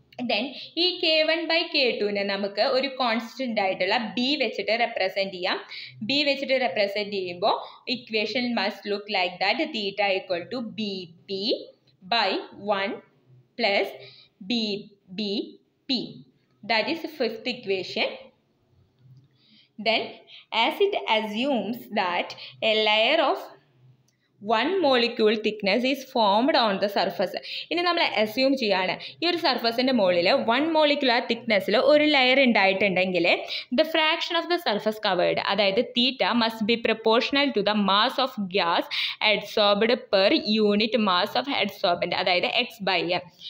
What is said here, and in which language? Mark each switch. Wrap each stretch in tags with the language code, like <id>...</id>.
<ml>Then ഈ K one by K ടുവിനെ നമുക്ക് ഒരു കോൺസ്റ്റൻ്റ് ആയിട്ടുള്ള ബി വെച്ചിട്ട് റെപ്രസെൻറ്റ് ചെയ്യാം. ബി വെച്ചിട്ട് റെപ്രസെൻറ്റ് ചെയ്യുമ്പോൾ</ml> <en>Equation must look like that theta equal to B P by one plus B B P. That is fifth equation. Then, as it assumes that a layer of one molecule thickness is formed on the surface.</en> <ml>ഇനി നമ്മൾ assume ചെയ്യാണ് ഈ ഒരു സർഫസിൻ്റെ മുകളിൽ one molecular തിക്നെസ്സിൽ ഒരു layer ഉണ്ടായിട്ടുണ്ടെങ്കിൽ</ml> <en>The fraction of the surface covered, അതായത് theta must be proportional to the mass of gas adsorbed per unit mass of adsorbent, അതായത് X by M.</en>